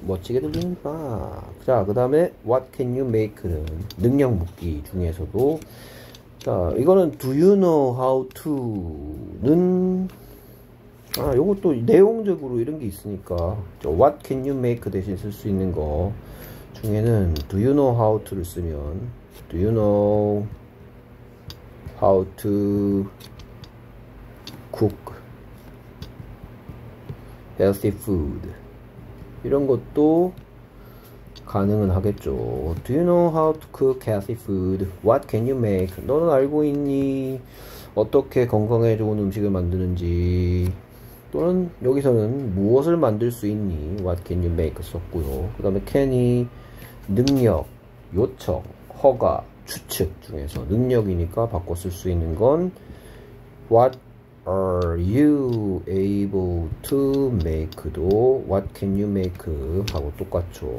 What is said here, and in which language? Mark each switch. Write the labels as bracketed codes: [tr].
[ko] 멋지게 들립니다. 자, 그 다음에 [en] What can you make [ko] 는 능력 묻기 중에서도 자, 이거는 [en] Do you know how to [ko] 는 아, 요것도 내용적으로 이런 게 있으니까 저 What can you make 대신 쓸수 있는 거 중에는 [en] Do you know how to를 쓰면 Do you know how to cook healthy food? [ko] 이런 것도 가능은 하겠죠. [en] Do you know how to cook healthy food? What can you make? [ko] 너는 알고 있니? 어떻게 건강에 좋은 음식을 만드는지. 또는 여기서는 무엇을 만들 수 있니? [en] What can you make? [ko] 썼고요. 그 다음에 can이 능력, 요청, 허가, 추측 중에서 능력이니까 바꿔 쓸수 있는 건 [en] What Are you able to make [ko] 도 [en] What can you make [ko] 하고 똑같죠.